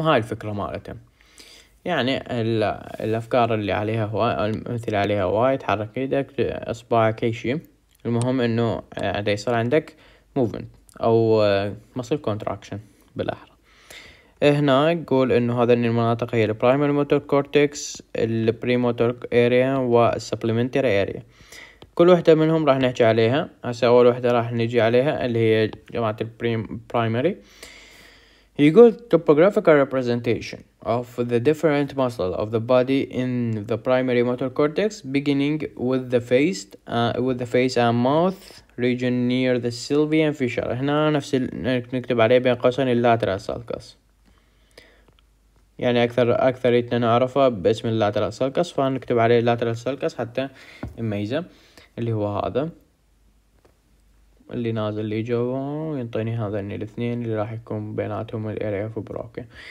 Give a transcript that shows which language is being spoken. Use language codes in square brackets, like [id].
[ar] هاي الفكره مالته، يعني الافكار اللي عليها هواي مثل عليها وايد، حرك ايدك اصبعك اي شيء، المهم انه عاد يصير عندك موفمنت او مسل كونتراكشن بالاحرى. هنا يقول انه هذا ان المناطق هي البرايمري موتور كورتكس البري موتور اريا والسبلمنتري اريا، كل وحده منهم راح نحكي عليها هسه. اول وحده راح نجي عليها اللي هي جماعه البرايمري. [en] يقول topographical representation of the different muscles of the body in the primary motor cortex beginning with the face and mouth region near the sylvian fissure. [ar] هنا نفس نكتب عليه بين قوسين اللاترال سالكس، يعني اكثر يتنا نعرفه باسم اللاترال سالكس، فنكتب عليه اللاترال سالكس حتى نميزه اللي هو هذا. اللي نازل لي جوا ينطيني هذين الاثنين اللي راح يكون بيناتهم الاريا اوف بروكن.